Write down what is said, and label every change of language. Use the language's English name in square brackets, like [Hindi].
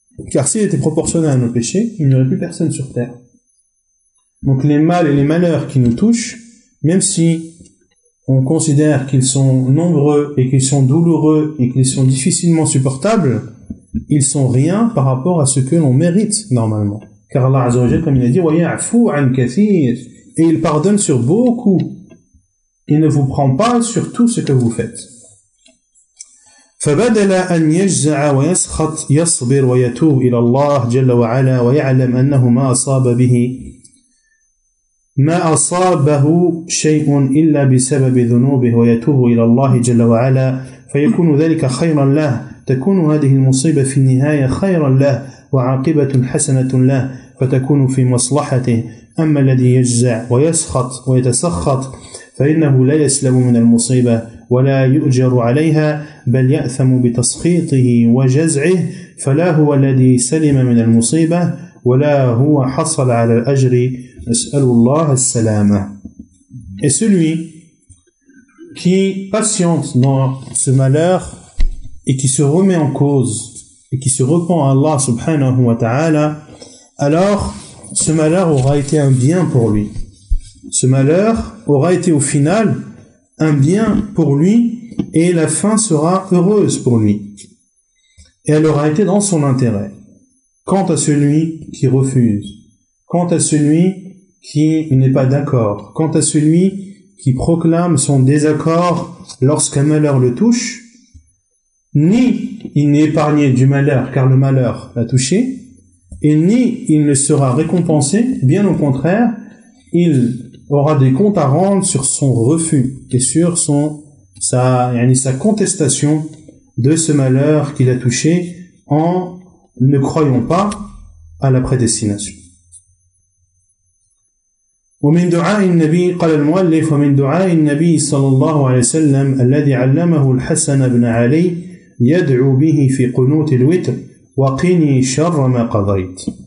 [French] Car s'il était proportionnel à nos péchés, il n'y aurait plus personne sur terre. Donc les mal et les malheurs qui nous touchent, même si on considère qu'ils sont nombreux et qu'ils sont douloureux et qu'ils sont difficilement supportables, ils sont rien par rapport à ce que l'on mérite normalement. Car Allah Azza wa Jalla, comme il a dit, [Arabic] wa ya'fu 'an kathir, [French] et il pardonne sur beaucoup. Il ne vous prend pas sur tout ce que vous faites. [Arabic] فبدل أن يجزع ويسخط يصبر ويتوب إلى الله جل وعلا ويعلم أنه ما أصاب به ما أصابه شيء إلا بسبب ذنوبه ويتوب إلى الله جل وعلا فيكون ذلك خيرا له. تكون هذه المصيبة في النهاية خيرا له وعاقبة حسنة له فتكون في مصلحته أما الذي يجزع ويسخط ويتسخط فإنه لا يسلم من المصيبة ولا يؤجر عليها، بل يأثم بتسخيطه وجزعه، فلا هو الذي سلم من المصيبة ولا هو حصل على الأجر، أسأل الله السلامة. [French] Et celui qui patiente dans ce malheur et qui se remet en cause et qui se repent à Allah subhanahu wa ta'ala, alors ce malheur aura été un bien pour lui. Ce malheur aura été au final un bien pour lui et la fin sera heureuse pour lui. Et elle aura été dans son intérêt. Quant à celui qui refuse, quant à celui qui n'est pas d'accord, quant à celui qui proclame son désaccord lorsqu'un malheur le touche, ni il n'est épargné du malheur car le malheur l'a touché, et ni il ne sera récompensé, bien au contraire, il aura des comptes à rendre sur son refus et sur sa contestation de ce malheur qu'il a touché en ne croyant pas à la prédestination. [Arabic] ومن دعاء النبي قال المؤلف ومن دعاء النبي صلى الله عليه وسلم الذي علمه الحسن بن علي يدعو به في قنوت الوتر وقني شر ما قضيت.